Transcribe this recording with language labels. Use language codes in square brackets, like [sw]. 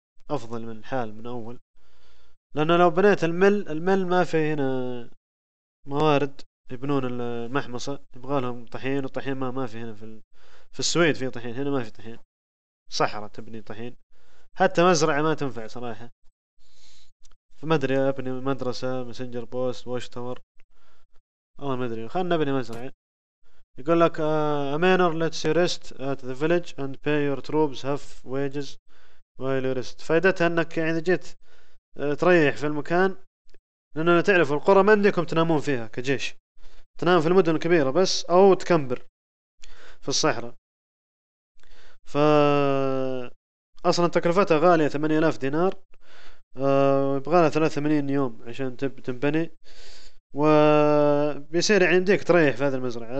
[ar] أفضل من الحال من أول، لأنه لو بنيت المل ما في هنا موارد يبنون المحمصة، يبغالهم طحين، والطحين ما في هنا في السويد، في طحين هنا ما في طحين، صحراء تبني طحين، حتى مزرعة ما تنفع صراحة. فما أدري أبني مدرسة، مسنجر بوست، واش تاور، الله ما أدري. خلنا نبني مزرعة. يقول لك [en] a manor lets you rest at the village and pay your troops half wages while you rest. [ar] فائدتها انك يعني جيت تريح في المكان، لان انا تعرف القرى ما عندكم تنامون فيها كجيش، تنام في المدن الكبيرة بس او تكمبر في الصحراء. فا اصلا تكلفتها غالية 8000 دينار، يبغالها 83 يوم عشان تنبني، وبيصير يعني يمديك تريح في هذه المزرعة.